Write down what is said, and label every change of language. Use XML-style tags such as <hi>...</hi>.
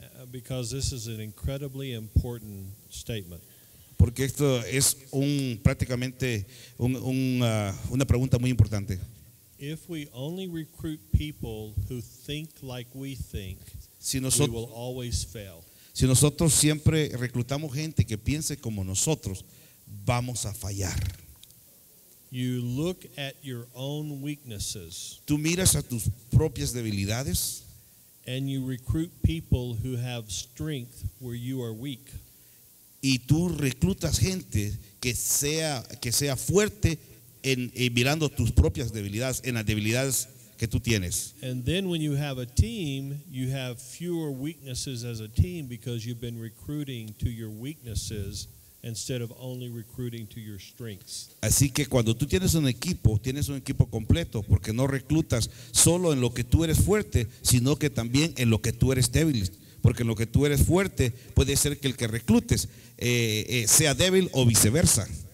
<en>Because this is an incredibly important statement.</en> <es>Porque esto es una pregunta muy importante.</es> <en>If we only recruit people who think like we think, we will always fail.</en> <es>Si nosotros siempre reclutamos gente que piense como nosotros, vamos a fallar.</es> <en>You look at your own weaknesses.</en> <es>Tú miras a tus propias debilidades.</es> <en>And you recruit people who have strength where you are weak.</en> <es>Y tú reclutas gente que sea fuerte en mirando tus propias debilidades, en las debilidades que tú tienes.</es> <en>And then when you have a team, you have fewer weaknesses as a team because you've been recruiting to your weaknesses instead of only recruiting to your strengths.</en> <es>Así que cuando tú tienes un equipo completo, porque no reclutas solo en lo que tú eres fuerte, sino que también en lo que tú eres débil. Porque en lo que tú eres fuerte, puede ser que el que reclutes sea débil o viceversa.</es>